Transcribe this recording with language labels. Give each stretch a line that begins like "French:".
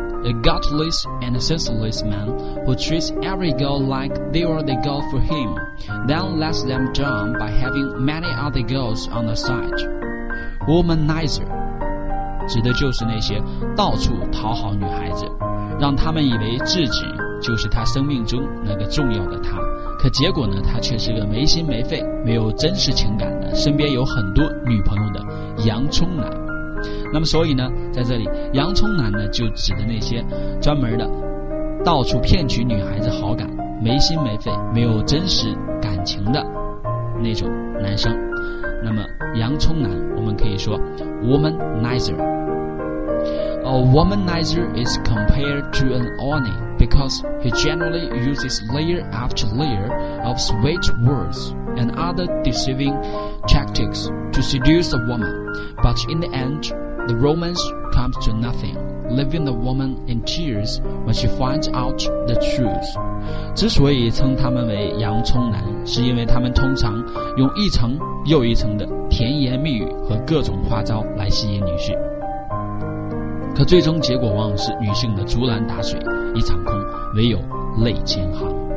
English: A gutless and senseless man who treats every girl like they are the girl for him, then lets them down by having many other girls on the side.
Chinese: Womanizer指的就是那些到处讨好女孩子，让她们以为自己就是她生命中那个重要的她，可结果呢，她却是个没心没肺、没有真实情感的、身边有很多女朋友的洋葱男。那么所以呢，在这里洋葱男呢，就指的那些专门的到处骗取女孩子好感、没心没肺、没有真实感情的那种男生。那么洋葱男我们可以说 womanizer。
English: A womanizer is compared to an oni because he generally uses layer after layer of sweet words and other deceiving tactics to seduce a woman, but in the end the romance comes to nothing, leaving the woman in tears when she finds out the truth.
Chinese: 之所以称他们为洋葱男，是因为他们通常用一层又一层的甜言蜜语和各种花招来吸引女婿，可最终结果往往是女性的竹篮打水一场空，唯有泪千行。